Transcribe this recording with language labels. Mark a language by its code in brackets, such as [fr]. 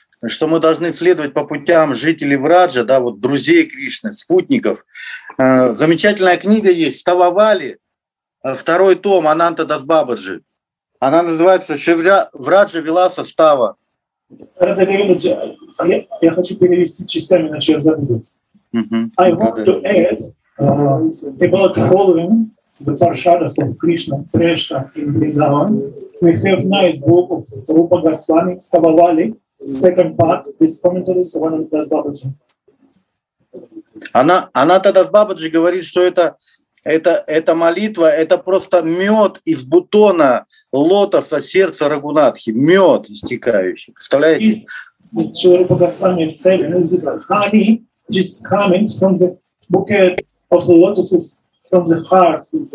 [ru] что мы должны следовать по путям жителей Враджа, да, вот друзей Кришны, спутников. Замечательная книга есть, Тававали, второй том Ананта Дас Бабаджи. Она называется «Шивря Враджа Виласа Става». Радха Гавинджи, я хочу перевести частями, иначе я забуду. [en] I want to add about following the Parshadas of Krishna, Preshta in Vrindavan. We have nice book of Rupa Goswami, Stavavali, second part, with commentaries of Ananta Das Babaji. [ru] Ананта Дас Бабаджи говорит, что это молитва, это просто мед из бутона лотоса сердца Рагунатхи, мед истекающий. Представляете? [en] Шрупа Госвами said, this is honey just coming from the bouquet of the lotuses from the heart.